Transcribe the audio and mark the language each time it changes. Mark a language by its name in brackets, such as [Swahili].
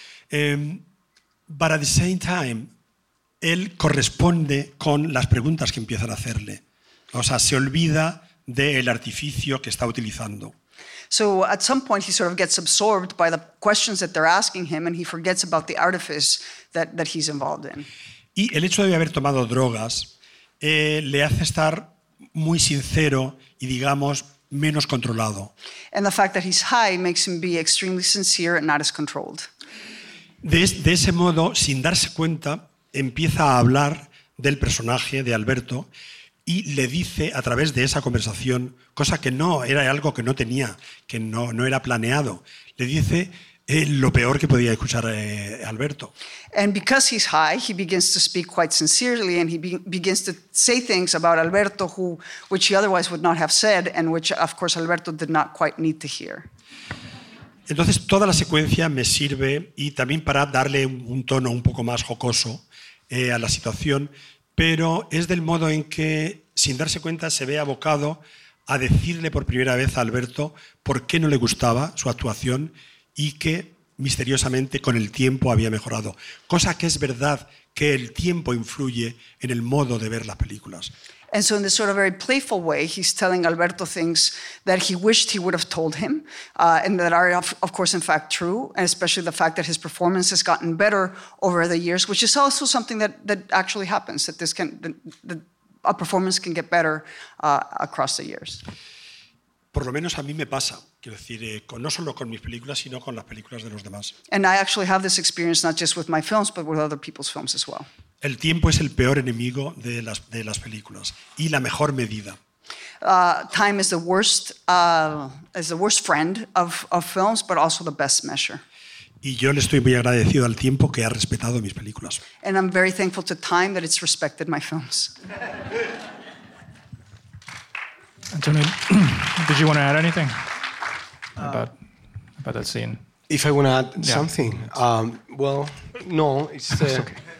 [English] But at the same time, [Spanish] él corresponde con las preguntas que empiezan a hacerle. O sea, se olvida del artificio que está utilizando. [English] So at some point he sort of gets absorbed by the questions that they're asking him and he forgets about the artifice that he's involved in. [Spanish] Y el hecho de haber tomado drogas le hace estar muy sincero y digamos menos controlado. [English] And the fact that he's high makes him be extremely sincere and not as controlled. [Spanish] De ese modo, sin darse cuenta, empieza a hablar del personaje de Alberto y le dice a través de esa conversación, cosa que no era algo que no tenía, que no era planeado, le dice lo peor que podía escuchar Alberto. [English] And because he's high, he begins to speak quite sincerely and he begins to say things about Alberto which he otherwise would not have said and which of course Alberto did not quite need to hear. [Spanish] Entonces toda la secuencia me sirve y también para darle un tono un poco más jocoso a la situación. Pero es del modo en que, sin darse cuenta, se ve abocado a decirle por primera vez a Alberto por qué no le gustaba su actuación y que, misteriosamente, con el tiempo había mejorado. Cosa que es verdad que el tiempo influye en el modo de ver las películas. [English] And so in this sort of very playful way, he's telling Alberto things that he wished he would have told him and that are, of course, in fact, true, and especially the fact that his performance has gotten better over the years, which is also something that actually happens, that this can a performance can get better across the years. [Spanish] Por lo menos a mí me pasa, quiero decir, no solo con mis películas, sino con las películas de los demás. [English] And I actually have this experience not just with my films, but with other people's films as well. [Spanish] El tiempo es el peor enemigo de las películas y la mejor medida. [English] Time is the worst friend of films, but also the best measure. [Spanish] Y yo le estoy muy agradecido al tiempo que ha respetado mis películas. [English] And I'm very thankful to time that it's respected my films. Antonio, did you want to add anything about that scene? If I want to add something, well, no, it's okay.